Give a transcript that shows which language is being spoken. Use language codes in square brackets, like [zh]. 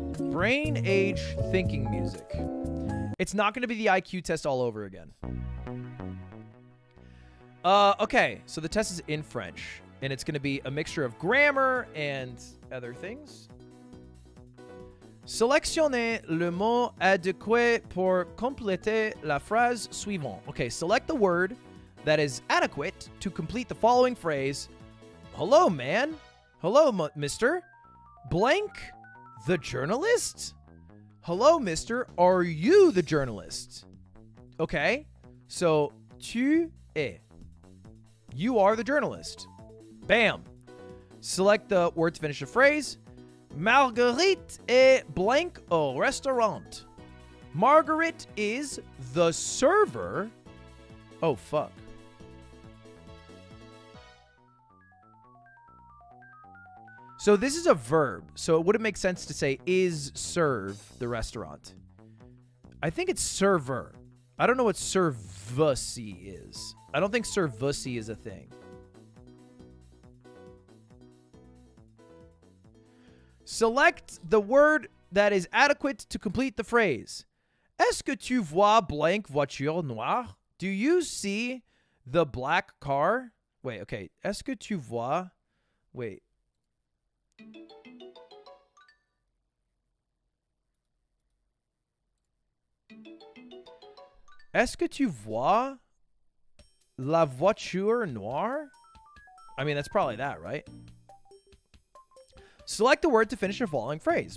[en] Brain age thinking music. It's not going to be the IQ test all over again. Okay, so the test is in French, and it's going to be a mixture of grammar and other things. [fr] Sélectionnez le mot adéquat pour compléter la phrase suivante. [en] Okay, select the word that is adequate to complete the following phrase. Hello, man. Hello, mister. Blank, the journalist? Hello, mister. Are you the journalist? Okay, so [fr] tu es. [en] You are the journalist. Bam. Select the word to finish the phrase. [fr] Marguerite est blank au restaurant. [en] Marguerite is the server. Oh, fuck. So this is a verb. So it wouldn't make sense to say is serve the restaurant. I think it's server. I don't know what servussy is. I don't think servussy is a thing. Select the word that is adequate to complete the phrase. [fr] Est-ce que tu vois blank voiture noire? [en] Do you see the black car? Wait, okay. [fr] Est-ce que tu vois... Wait. Est-ce que tu vois la voiture noire? [en] I mean, that's probably that, right? Select the word to finish the following phrase.